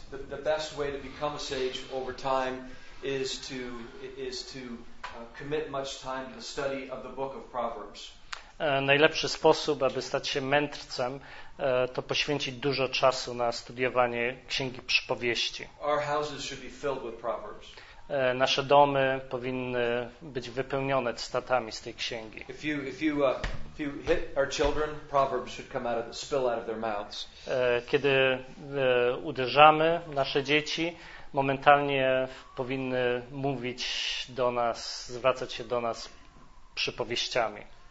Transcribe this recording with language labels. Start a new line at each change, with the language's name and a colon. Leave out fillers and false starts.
English: The best way to become a sage over time is to commit much time to the study of the book of Proverbs.
Polish: Najlepszy sposób, aby stać się mędrcem, to poświęcić dużo czasu na studiowanie Księgi Przypowieści.
English: Our houses should be filled with Proverbs.
Polish: Nasze domy powinny być wypełnione cytatami z tej księgi.
English: If you hit our children, Proverbs should come out of spill out of their mouths.
Polish: Kiedy uderzamy nasze dzieci, momentalnie powinny mówić do nas, zwracać się do nas przypowieściami.